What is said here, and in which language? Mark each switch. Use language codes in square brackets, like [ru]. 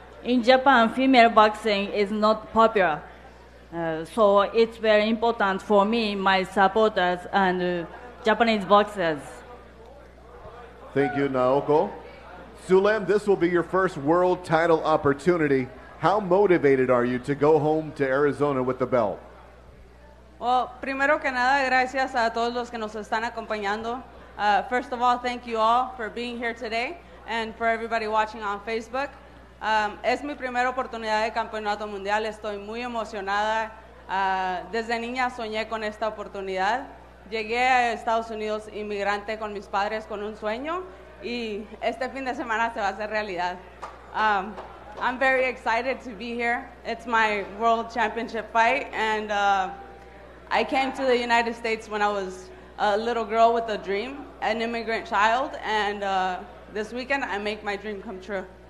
[en] In Japan, female boxing is not popular. So it's very important for me, my supporters, and Japanese boxers. Thank you, Naoko. Sulem, this will be your first world title opportunity. How motivated are you to go home to Arizona with the belt? [es] Well, primero que nada, gracias a todos los que nos están acompañando. [en] First of all, thank you all for being here today and for everybody watching on Facebook. [es] Es mi primera oportunidad de campeonato mundial. Estoy muy emocionada. Desde niña soñé con esta oportunidad. Llegué a Estados Unidos inmigrante con mis padres con un sueño. Y este fin de semana se va a hacer realidad. [en] I'm very excited to be here. It's my world championship fight, and I came to the United States when I was a little girl with a dream, an immigrant child, and this weekend I make my dream come true.